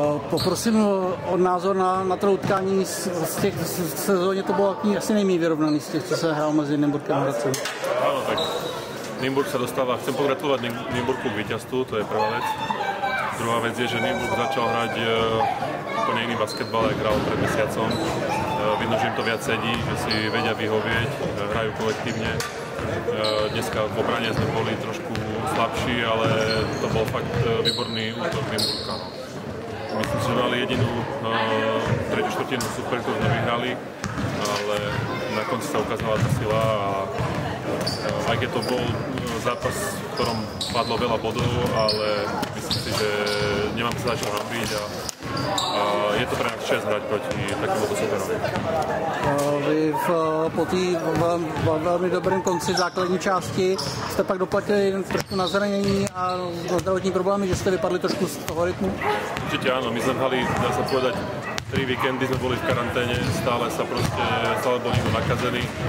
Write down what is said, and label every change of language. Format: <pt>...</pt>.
<cs>poprosím o názor na to utkání z těch sezóně, to bylo asi nejméně vyrovnaný z těch, co se hrál mezi Nymburkem a Hradcem. Ano, tak Nymburk se dostává.</cs> <sk>Chcem pogratulovat Nymburku k vítězstvu, to je prvá věc.</sk> <cs>Druhá věc je, že Nymburk začal hrát úplně jiný basketbal, jak hrál před měsícem.</cs> <sk>Vidno, že jim to viac sedí, že si vedia vyhovieť, hrajú kolektívne. Dneska v obrane sme boli trošku slabší, ale to bol fakt výborný útok Nymburka. Myslím si, že mali jedinú tretiu štvrtinu super, ktorú sme vyhrali, ale na konci sa ukázala tá sila a aj keď to bol zápas, v ktorom padlo veľa bodov, ale myslím si, že nemám sa za čo hambiť.</sk> <cs>A je to pro nás čest hrát proti takovému superovi. Vy po té velmi dobrém konci základní části jste pak doplatili trošku na zranění a na zdravotní problémy, že jste vypadli trošku z toho rytmu? Určitě ano, my jsme hrali,</cs> <sk>dá se povedať,</sk> <cs>3 víkendy jsme byli v karanténě, stále se prostě, stále byl někdo nakazený.</cs>